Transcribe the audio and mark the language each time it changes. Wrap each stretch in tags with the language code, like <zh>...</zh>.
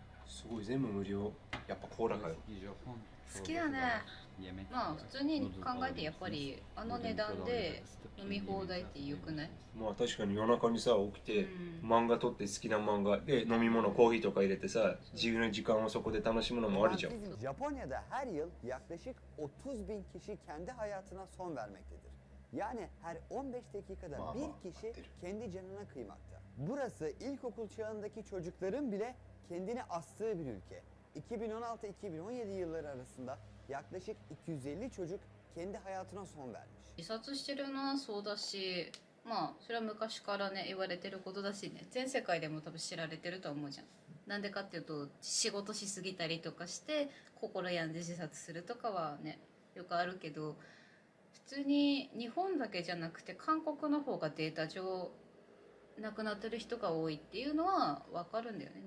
<ja>すごい全部無料。やっぱコーラかよ。好きだね。まあ普通に考えてやっぱりあの値段で飲み放題ってよくない？まあ確かに夜中にさ起きて漫画撮って好きな漫画で飲み物コーヒーとか入れてさ自由な時間をそこで楽しむのもありじゃん。ジャポニアで</ja> <tr>her yıl yaklaşık 30 bin kişi kendi hayatına son vermektedir. Yani her 15 dakikada bir kişi kendi canına kıymakta. Burası ilkokul çağındaki çocukların bile kendini astığı bir ülke. 2016-2017 yılları arasında yaklaşık 250 çocuk kendi hayatına son vermiş.</tr> <ja>自殺してるのはそうだし、まあそれは昔からね言われてることだしね、全世界でも多分知られてると思うじゃん。なんでかっていうと仕事しすぎたりとかして心病んで自殺するとかはねよくあるけど、普通に日本だけじゃなくて韓国の方がデータ上亡くなってる人が多いっていうのは分かるんだよね。</ja>